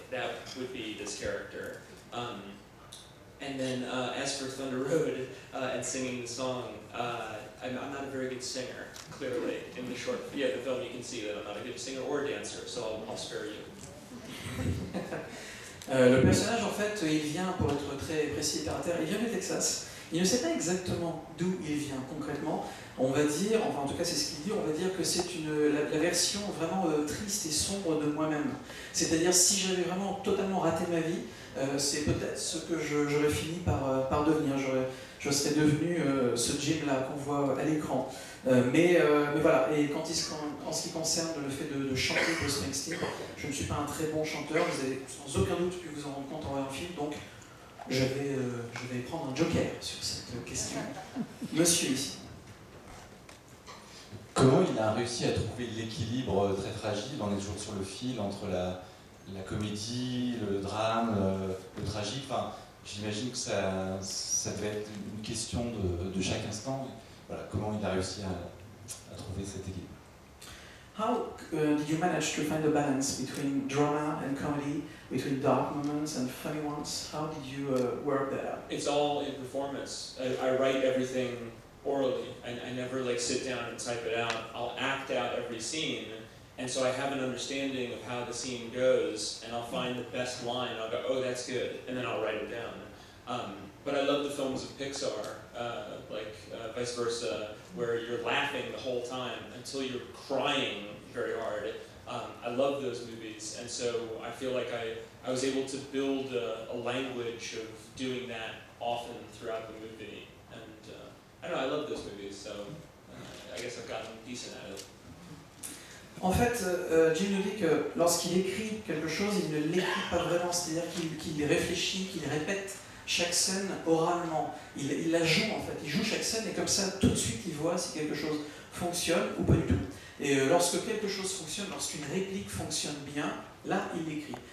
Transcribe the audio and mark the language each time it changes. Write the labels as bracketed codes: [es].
[en] That would be this character. And then as for Thunder Road and singing the song, I'm not a very good singer, clearly. In the short, yeah, the film, you can see that I'm not a good singer or dancer, so I'll spare you. [fr] Le personnage, en fait, il vient, pour être très précis et terre-à-terre, il vient du Texas. Il ne sait pas exactement d'où il vient concrètement. On va dire, enfin en tout cas c'est ce qu'il dit, on va dire que c'est la version vraiment triste et sombre de moi-même. C'est-à-dire, si j'avais vraiment totalement raté ma vie, c'est peut-être ce que j'aurais fini par devenir. Je serais devenu ce Jim-là qu'on voit à l'écran. Mais voilà, et en ce qui concerne le fait de chanter Bruce Springsteen, je ne suis pas un très bon chanteur, vous avez sans aucun doute pu vous en rendre compte en voyant le film, donc je vais prendre un joker sur cette question. Monsieur ici. Comment il a réussi à trouver l'équilibre très fragile, on est toujours sur le fil, entre la comédie, le drame, le tragique, enfin, j'imagine que ça devait être une question de chaque instant. Voilà, comment il a réussi à trouver cet équilibre. [en] How did you manage to find a balance between drama and comedy, between dark moments and funny ones? How did you work that out? It's all in performance. I write everything orally. I never like sit down and type it out. I'll act out every scene, and so I have an understanding of how the scene goes, and I'll find the best line, and I'll go, oh, that's good, and then I'll write it down. But I love the films of Pixar, Vice Versa, where you're laughing the whole time until you're crying very hard. I love those movies, and so I feel like I was able to build a language of doing that often throughout the movie. And I don't know, I love those movies, so I guess I've gotten decent at it. [fr] En fait, Jim nous dit que lorsqu'il écrit quelque chose, il ne l'écrit pas vraiment, c'est-à-dire qu'il réfléchit, qu'il répète chaque scène oralement. Il la joue en fait, il joue chaque scène et comme ça tout de suite il voit si quelque chose fonctionne ou pas du tout. Et lorsque quelque chose fonctionne, lorsqu'une réplique fonctionne bien, là il écrit.